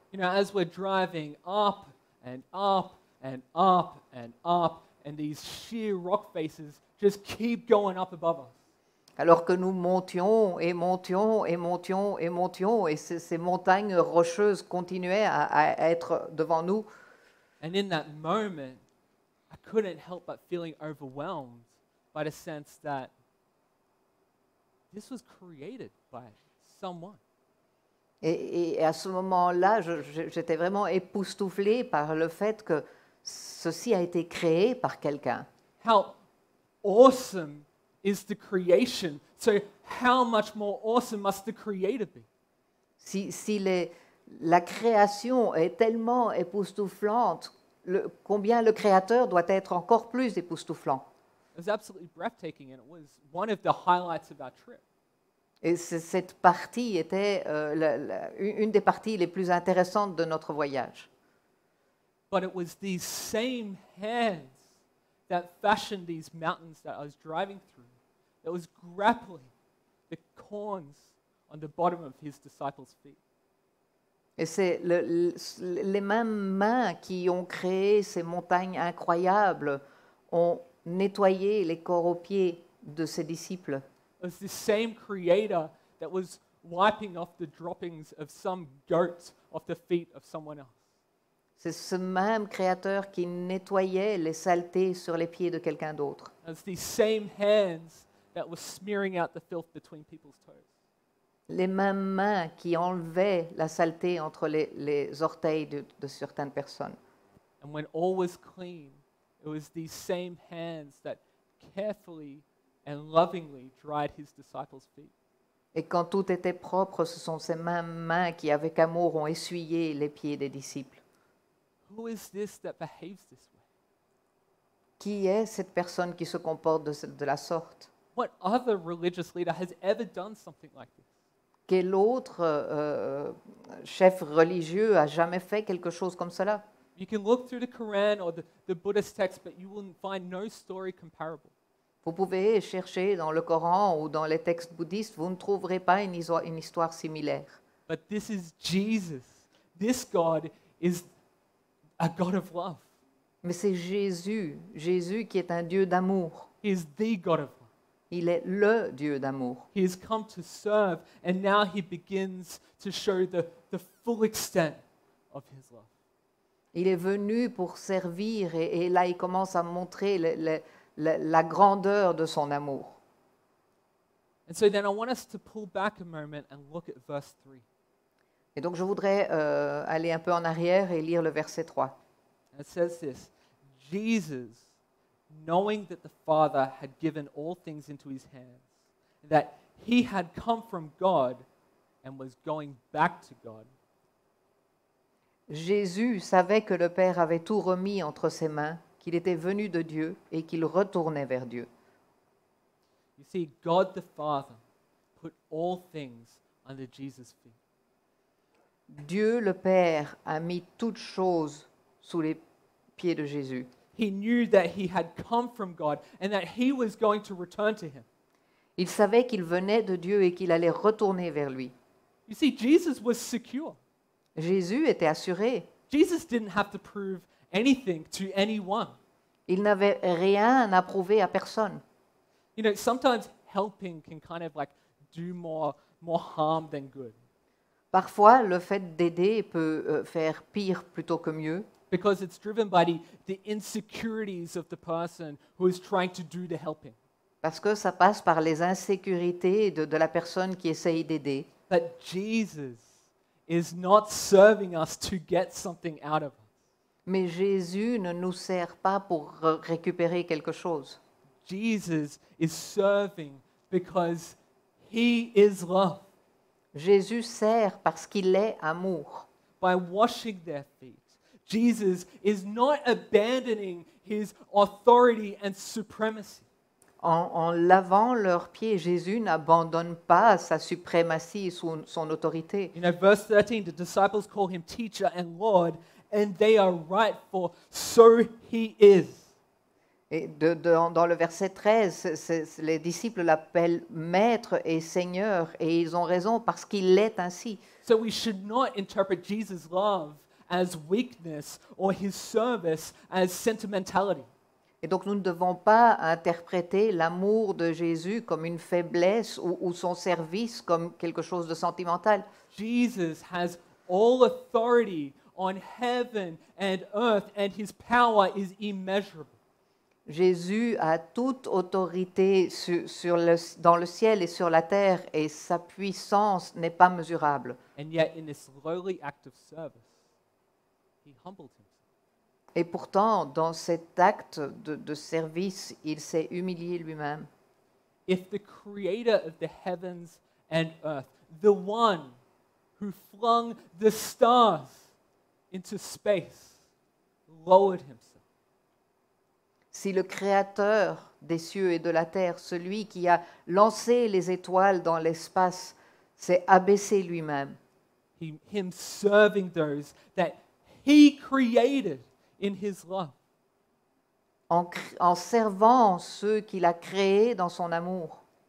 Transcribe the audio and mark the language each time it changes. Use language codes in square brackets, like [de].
[en] You know, as we're driving up and up and up and up, and these sheer rock faces just keep going up above us. [fr] Alors que nous montions et montions et montions et montions, et ces montagnes rocheuses continuaient à être devant nous. [en] And in that moment, I couldn't help but feeling overwhelmed by the sense that this was created by someone. [fr] Et à ce moment-là, j'étais vraiment époustouflé par le fait que ceci a été créé par quelqu'un. [en] How awesome is the creation? So how much more awesome must the creator be? [fr] Si la création est tellement époustouflante, combien le créateur doit être encore plus époustouflant? [en] It was absolutely breathtaking, and it was one of the highlights of our trip. [fr] Et cette partie était une des parties les plus intéressantes de notre voyage. [en] But it was these same hands that fashioned these mountains that I was driving through that was grappling the corns on the bottom of his disciples' feet. [fr] Et c'est les mêmes mains qui ont créé ces montagnes incroyables ont nettoyé les corps aux pieds de ses disciples. [en] It was the same creator that was wiping off the droppings of some goat off the feet of someone else. [fr] C'est ce même créateur qui nettoyait les saletés sur les pieds de quelqu'un d'autre. [en] It was the same hands that were smearing out the filth between people's toes. [fr] Les mêmes mains qui enlevaient la saleté entre les orteils de certaines personnes. [en] And when all was clean, it was these same hands that carefully and lovingly dried his disciples' feet. [fr] Et quand tout était propre, ce sont ces mêmes mains qui, avec amour, ont essuyé les pieds des disciples. [en] Who is this that behaves this way? [fr] Qui est cette personne qui se comporte de la sorte? [en] What other religious leader has ever done something like this? [fr] quel autre chef religieux a jamais fait quelque chose comme cela? [en] You can look through the Quran or the Buddhist text, but you will find no story comparable. [fr] Vous pouvez chercher dans le Coran ou dans les textes bouddhistes, vous ne trouverez pas une histoire similaire. [en] But this is Jesus. This God is a God of love. [fr] Mais c'est Jésus, Jésus qui est un Dieu d'amour. [en] He is the God of love. [fr] Il est le Dieu d'amour. [en] He has come to serve, and now he begins to show the full extent of his love. [fr] Il est venu pour servir, et là il commence à montrer la grandeur de son amour. [en] And so then I want us to pull back a moment and look at verse 3. [fr] Et donc je voudrais aller un peu en arrière et lire le verset 3. [en] It says this: Jesus, knowing that the Father had given all things into his hands, that he had come from God and was going back to God. [fr] Jésus savait que le Père avait tout remis entre ses mains, qu'il était venu de Dieu et qu'il retournait vers Dieu. [en] You see, God the Father put all things under Jesus' feet. [fr] Dieu le Père a mis toutes choses sous les pieds de Jésus. [en] He knew that he had come from God and that he was going to return to him. [fr] Il savait qu'il venait de Dieu et qu'il allait retourner vers lui. [en] You see, Jesus was secure. [fr] Jésus était assuré. [en] Jesus didn't have to prove anything to anyone. [fr] Il n'avait rien à prouver à personne. [en] You know, sometimes helping can kind of like do more harm than good. [fr] Parfois, le fait d'aider peut faire pire plutôt que mieux. [en] Because it's driven by the insecurities of the person who is trying to do the helping. [fr] Parce que ça passe par les insécurités de la personne qui essaye d'aider. [en] But Jesus is not serving us to get something out of us. [fr] Mais Jésus ne nous sert pas pour récupérer quelque chose. [en] Jesus is serving because he is love. [fr] Jésus sert parce qu'il est amour. [en] By washing their feet, Jesus is not abandoning his authority and supremacy. [fr] En lavant leurs pieds, Jésus n'abandonne pas sa suprématie et son autorité. [en] You know, verse 13, the disciples call him teacher and Lord, and they are right, for so he is. [fr] Et dans le verset 13, les disciples l'appellent maître et seigneur, et ils ont raison parce qu'il est ainsi. [en] So we should not interpret Jesus' love as weakness or his service as sentimentality. [fr] Et donc, nous ne devons pas interpréter l'amour de Jésus comme une faiblesse ou son service comme quelque chose de sentimental. [en] Jesus has all authority on heaven and earth, and his power is immeasurable. [fr] Jésus a toute autorité dans le ciel et sur la terre, et sa puissance n'est pas mesurable. [en] And yet, in this lowly act of service, he humbled him. [fr] Et pourtant, dans cet acte de service, il s'est humilié lui-même. [en] If the creator of the heavens and earth, the one who flung the stars into space, lowered himself. [fr] Si le créateur des cieux et de la terre, celui qui a lancé les étoiles dans l'espace, s'est abaissé lui-même. [en] Him serving those that he created. In his love. [fr] En servant ceux qu'il a créés dans son amour.